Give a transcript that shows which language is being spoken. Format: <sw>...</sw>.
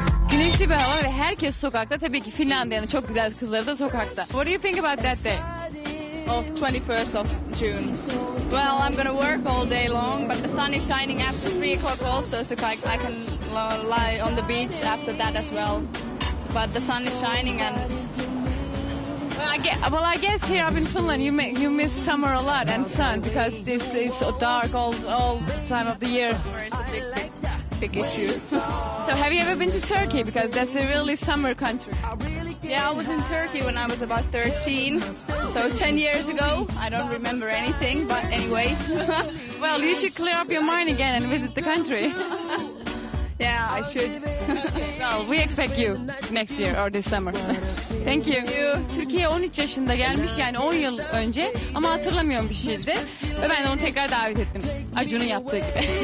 <tr>Güneşli bir hava ve herkes sokakta. Tabii ki Finlandiya'nın çok güzel kızları da sokakta.</tr> <en>What do you think about that day? Of 21st of June. Well, I'm gonna work all day long, but the sun is shining after 3 o'clock also, so I can lie on the beach after that as well. But the sun is shining and. Well, I guess here up in Finland you miss summer a lot and sun because this is so dark all time of the year. It's a big issue. So have you ever been to Turkey? Because that's a really summer country. Yeah, I was in Turkey when I was about 13, so 10 years ago. I don't remember anything, but anyway. Well, you should clear up your mind again and visit the country. Yeah, I should. Well, we expect you next year or this summer. Thank you.</en> <tr>Türkiye 13 yaşında gelmiş, yani 10 yıl önce, ama hatırlamıyorum bir şeydi. Ve ben onu tekrar davet ettim. Acun'un yaptığı gibi.</tr>